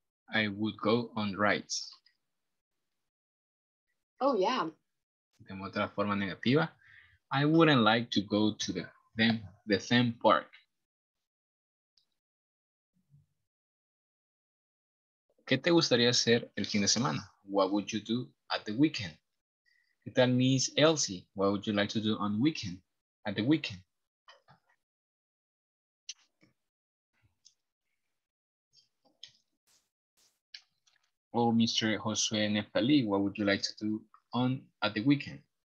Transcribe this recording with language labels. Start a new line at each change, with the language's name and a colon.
English: I would go on rides. Oh, yeah.
Spanish: De otra forma negativa.
English: I wouldn't like to go to the theme park.
Spanish: ¿Qué te gustaría hacer el fin de semana?
English: What would you do at the weekend?
Spanish: ¿Qué tal, Miss Elsie?
English: What would you like to do on weekend? At the weekend. Oh, Mr. Josué Nepali, what would you like to do on at the weekend?